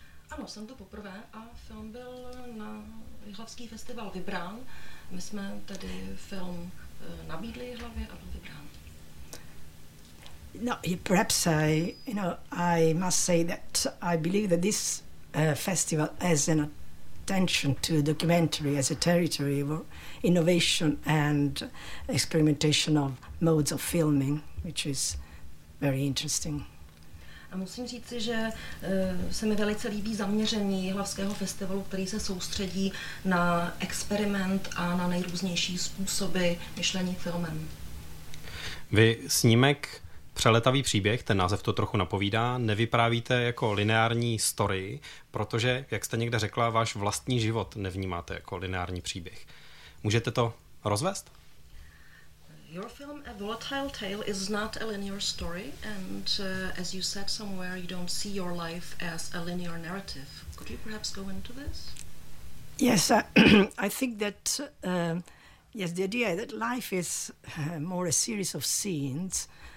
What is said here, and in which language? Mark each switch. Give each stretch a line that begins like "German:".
Czech: Ano, jsem to poprvé a film byl na Jihlavský festival vybrán. My jsme tady film nabídli Jihlavě a byl vybrán.
English: No, perhaps I must say that I believe that this festival has an attention to documentary as a territory of innovation and experimentation of modes of filming, which is very interesting.
Czech: A musím říct, že se mi velice líbí zaměření Jihlavského festivalu, který se soustředí na experiment a na nejrůznější způsoby myšlení filmem. Vy snímek Přelétavý příběh, ten název to trochu napovídá, nevyprávíte jako lineární story, protože, jak jste někde řekla, váš vlastní život nevnímáte jako lineární příběh. Můžete to rozvést?
English: Your film A Volatile Tale is not a linear story, and as you said somewhere, you don't see your life as a linear narrative. Could you perhaps go into this? Yes, I think that yes, the idea that life is more a series of scenes.